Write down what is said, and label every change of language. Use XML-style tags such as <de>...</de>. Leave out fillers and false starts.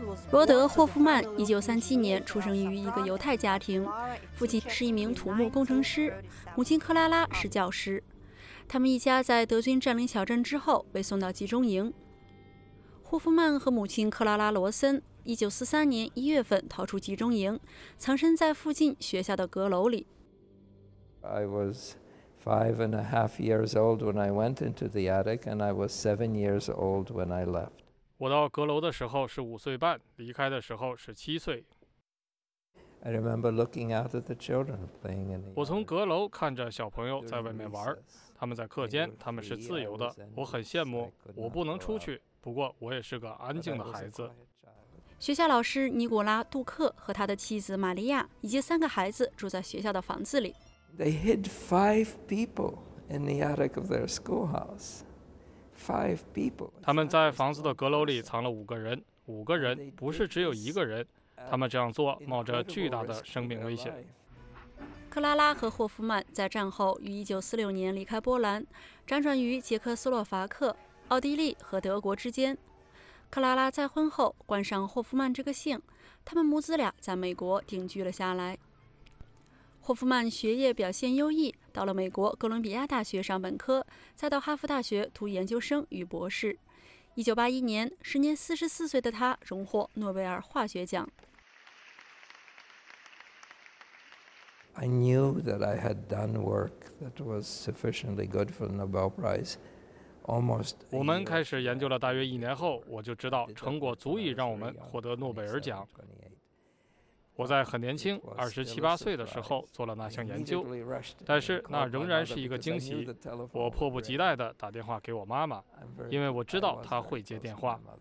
<zh>罗德·霍夫曼1937年出生于一个犹太家庭，父亲是一名土木工程师，母亲克拉拉是教师。他们一家在德军占领小镇之后被送到集中营。霍夫曼和母亲克拉拉·罗森1943年一月份逃出集中营，藏身在附近学校的阁楼里。</zh> <en>I was five and a half years old when I went into the attic, and I was 7 years old when I left.</en> <zh>我到阁楼的时候是5岁半，离开的时候是7岁。</zh> <en>I remember looking out at the children playing in the.</en> <zh>我从阁楼看着小朋友在外面玩，他们在课间，他们是自由的，我很羡慕。我不能出去，不过我也是个安静的孩子。学校老师尼古拉·杜克和他的妻子玛利亚以及三个孩子住在学校的房子里。</zh> <en>They hid 5 people in the attic of their schoolhouse.</en> <zh>他们在房子的阁楼里藏了5个人，5个人，不是只有1个人，他们这样做冒着巨大的生命危险。克拉拉和霍夫曼在战后于1946年离开波兰，辗转于捷克斯洛伐克、奥地利和德国之间。克拉拉再婚后冠上霍夫曼这个姓，他们母子俩在美国定居了下来。霍夫曼学业表现优异，到了美国哥伦比亚大学上本科，再到哈佛大学读研究生与博士。 1981年，时年44岁的他荣获诺贝尔化学奖。</zh> <en>I knew that I had done work that was sufficiently good for the Nobel Prize. Almost.</en> <zh>我们开始研究了大约一年后，我就知道成果足以让我们获得诺贝尔奖。我在很年轻，27、28岁的时候做了那项研究，但是那仍然是一个惊喜。我迫不及待地打电话给我妈妈，因为我知道她会接电话。</zh>